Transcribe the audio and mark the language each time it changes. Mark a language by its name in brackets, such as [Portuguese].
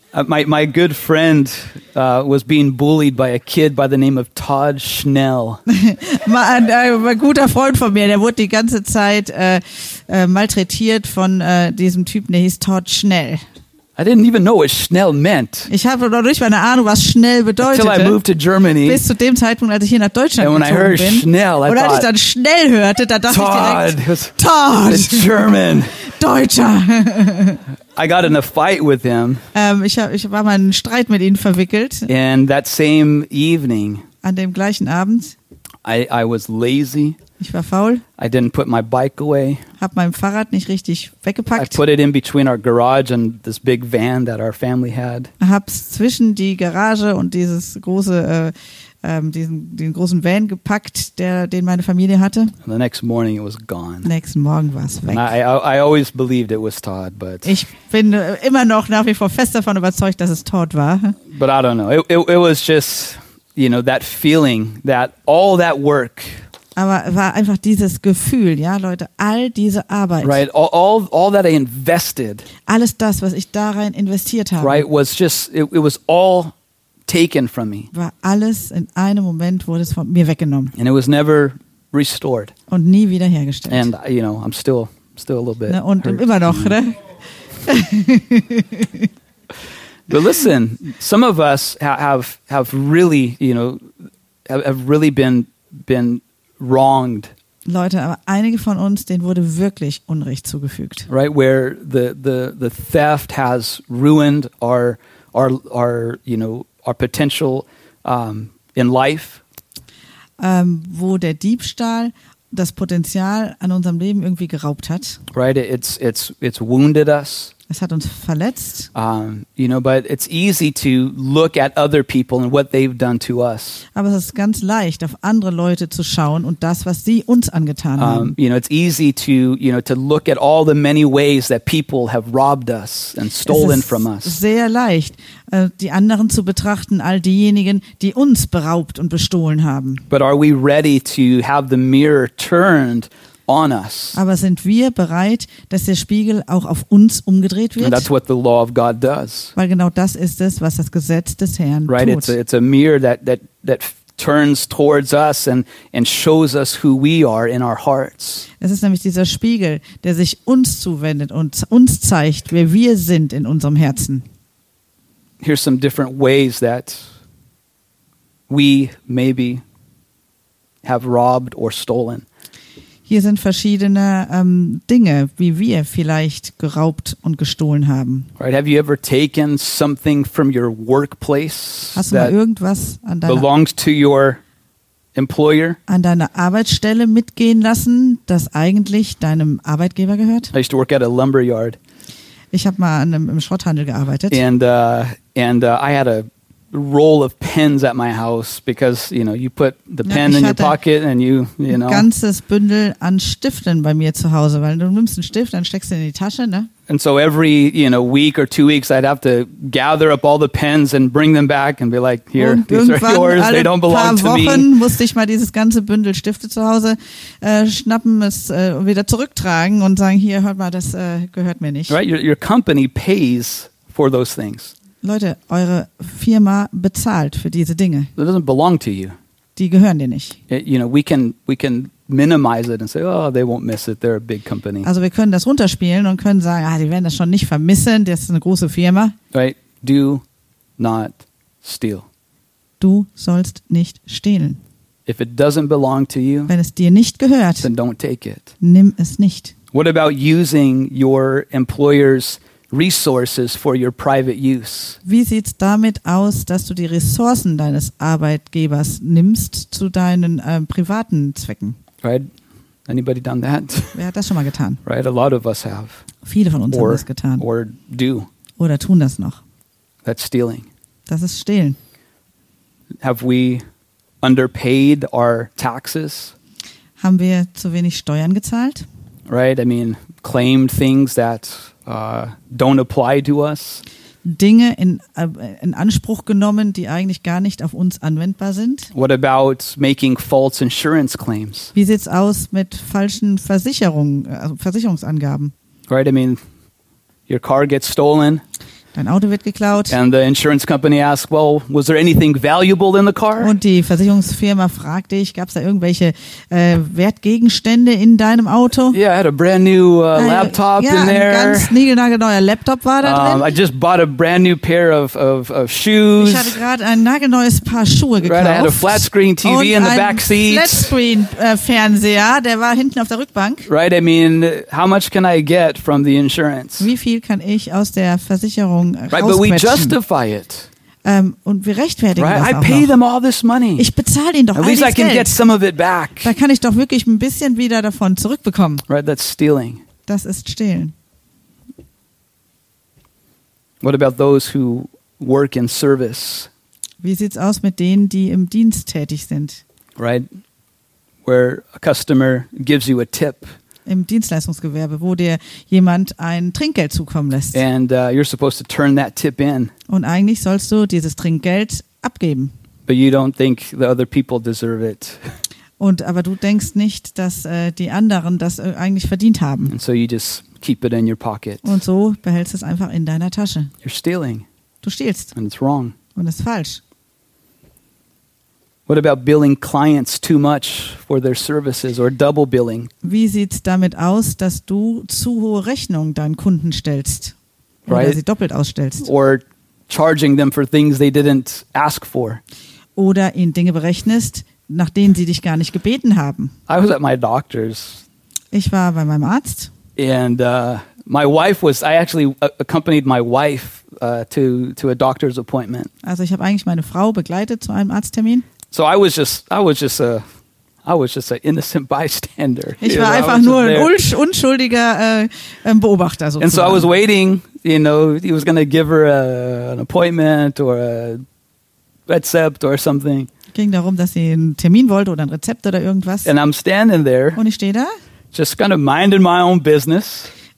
[English] My good friend was being bullied by a kid by the name of Todd Schnell. [German] Mein guter Freund von mir, der wurde die ganze Zeit malträtiert von diesem Typen, der hieß Todd Schnell. [English] I didn't even know what schnell meant. [German] Ich habe noch nicht meine Ahnung, was schnell bedeutete. [English] Until I moved to Germany. [German] Bis zu dem Zeitpunkt, als ich hier nach Deutschland gezogen bin. [English] And when I heard schnell, I thought. [German] Und als ich dann schnell hörte, da dachte [English] Todd, [German] ich direkt. Todd. [English] It's German. [German] Deutscher. [English] I got in a fight with him. [German] Ich war mal in einen Streit mit ihm verwickelt. [English] And that same evening. [German] An dem gleichen Abend. [English] I was lazy. [German] Ich war faul. [English] I didn't put my bike away. [German] Hab mein Fahrrad nicht richtig weggepackt. [English] I put it in between our garage and this big van that our family had. [German] Hab's zwischen die Garage und dieses große den großen Van gepackt, den meine Familie hatte. [English] And the next morning it was gone. [German] Nächsten Morgen war es weg. [English] I always believed it was Todd, but [German] ich bin immer noch nach wie vor fest davon überzeugt, dass es Todd war. [English] But I don't know. It was just, you know, that feeling that all that work. [German] Aber war einfach dieses Gefühl, ja, Leute, all diese Arbeit. [English] Right, all that I invested. [German] Alles das, was ich da rein investiert habe. [English] Right, was just, it was all taken from me. [German] War alles in einem Moment wurde es von mir weggenommen. [English] And it was never restored. [German] Und nie wiederhergestellt. [English] And you know, I'm still a little bit. Na, [German] und [English] hurt. [German] Immer noch, ne? [English] But listen, some of us have really, you know, have really been wronged. [German] Leute, aber einige von uns, denen wurde wirklich Unrecht zugefügt. [English] Right, where the theft has ruined our you know, our potential in life. [German] Wo der Diebstahl das Potenzial an unserem Leben irgendwie geraubt hat. [English] Right, it's wounded us. [German] Es hat uns verletzt. [English] You know, but it's easy to look at other people and what they've done to us. [German] Aber es ist ganz leicht, auf andere Leute zu schauen und das, was sie uns angetan haben. [English] You know, it's easy to, you know, to look at all the many ways that people have robbed us and stolen from us. [German] Es ist sehr leicht, die anderen zu betrachten, all diejenigen, die uns beraubt und bestohlen haben. [English] But are we ready to have the mirror turned on us? [German] Aber sind wir bereit, dass der Spiegel auch auf uns umgedreht wird? [English] And that's what the law of God does. [German] Weil genau das ist es, was das Gesetz des Herrn [English] right, [German] tut. [English] It's a mirror that turns towards us and shows us who we are in our hearts. [German] Es ist nämlich dieser Spiegel, der sich uns zuwendet und uns zeigt, wer wir sind in unserem Herzen. [English] Here's some different ways that we maybe have robbed or stolen. [German] Hier sind verschiedene Dinge, wie wir vielleicht geraubt und gestohlen haben. [English] Right, have you ever taken something from your workplace? [German] Hast du mal irgendwas an deiner [English] belongs to your employer? [German] An deine Arbeitsstelle mitgehen lassen, das eigentlich deinem Arbeitgeber gehört? [English] I used to work at a lumber yard. [German] Ich habe mal im Schrotthandel gearbeitet. [English] And I had a roll of pens at my house because, you know, you put the pen in your pocket and you know. [German] Ein ganzes Bündel an Stiften bei mir zu Hause, weil du nimmst einen Stift, dann steckst du ihn in die Tasche, ne? [English] And so every, you know, week or 2 weeks, I'd have to gather up all the pens and bring them back and be like, here, [German] und [English] these are yours, they don't belong to me. [German] Paar Wochen musste ich mal dieses ganze Bündel Stifte zu Hause schnappen, es wieder zurücktragen und sagen, hier, hört mal, das gehört mir nicht. [English] Right, your company pays for those things. [German] Leute, eure Firma bezahlt für diese Dinge. [English] It doesn't belong to you. [German] Die gehören dir nicht. [English] It, you know, we can minimize it and say, oh, they won't miss it. They're a big company. [German] Also wir können das runterspielen und können sagen, ah, die werden das schon nicht vermissen. Das ist eine große Firma. [English] Right? Do not steal. [German] Du sollst nicht stehlen. [English] If it doesn't belong to you, [German] wenn es dir nicht gehört, [English] then don't take it. [German] Nimm es nicht. [English] What about using your employer's resources for your private use? [German] Wie sieht's damit aus, dass du die Ressourcen deines Arbeitgebers nimmst zu deinen privaten Zwecken? [English] Right? Anybody done that? [German] Wer hat das schon mal getan? [English] Right? A lot of us have. [German] Viele von uns haben das getan. [English] Or do. [German] Oder tun das noch. [English] That's stealing. [German] Das ist stehlen. [English] Have we underpaid our taxes? [German] Haben wir zu wenig Steuern gezahlt? [English] Right? I mean, claimed things that don't apply to us. [German] Dinge in Anspruch genommen, die eigentlich gar nicht auf uns anwendbar sind. [English] What about making false insurance claims? [German] Wie sieht's aus mit falschen Versicherungsangaben? [English] Right, I mean, your car gets stolen. [German] Dein Auto wird geklaut. [English] And the insurance company asks, well, was there anything valuable in the car? [German] Und die Versicherungsfirma fragt dich, gab's da irgendwelche Wertgegenstände in deinem Auto? [English] Yeah, I had a brand new laptop in there. [German] Ja, ein ganz nagelneuer Laptop war da drin. [English] I just bought a brand new pair of shoes. [German] Ich hatte gerade ein nagelneues Paar Schuhe gekauft. [English] Right, I had a flat screen TV in the back seat. [German] Und ein flat screen Fernseher, der war hinten auf der Rückbank. [English] Right, I mean, how much can I get from the insurance? [German] Wie viel kann ich aus der Versicherung? [English] Right, but we justify it. [German] Und wir rechtfertigen [English] right? [German] das auch [English] I pay [German] noch. [English] Them all this money. [German] Ich bezahle ihnen doch [English] at least [German] all dieses [English] I can [German] Geld. [English] Get some of it back. [German] Da kann ich doch wirklich ein bisschen wieder davon zurückbekommen. [English] Right, that's stealing. [German] Das ist stehlen. [English] What about those who work in service? [German] Wie sieht's aus mit denen, die im Dienst tätig sind? [English] Right, where a customer gives you a tip. [German] Im Dienstleistungsgewerbe, wo dir jemand ein Trinkgeld zukommen lässt. [English] And, you're supposed to turn that tip in. [German] Und eigentlich sollst du dieses Trinkgeld abgeben. [English] But you don't think the other people deserve it. [German] Und aber du denkst nicht, dass die anderen das eigentlich verdient haben. [English] And so you just keep it in your pocket. [German] Und so behältst du es einfach in deiner Tasche. [English] You're stealing. [German] Du stiehlst. [English] And it's wrong. [German] Und es ist falsch. [English] What about billing clients too much for their services or double billing? [German] Wie sieht's damit aus, dass du zu hohe Rechnungen deinen Kunden stellst oder [English] right? [German] sie doppelt ausstellst? [English] Or charging them for things they didn't ask for? [German] Oder ihnen Dinge berechnest, nach denen sie dich gar nicht gebeten haben? [English] I was at my doctor's. [German] Ich war bei meinem Arzt. [English] And my wife was. I actually accompanied my wife to a doctor's appointment. [German] Also ich habe eigentlich meine Frau begleitet zu einem Arzttermin. [English] So I was just an innocent bystander. [German] Ich war einfach nur ein unschuldiger Beobachter sozusagen. [English] And so I was waiting, you know, he was going to give her an appointment or a recept or something. [German] Ging darum, dass sie einen Termin wollte oder ein Rezept oder irgendwas. [English] And I'm standing there. [German] Und ich stehe da. [English] Just kind of minding my own business.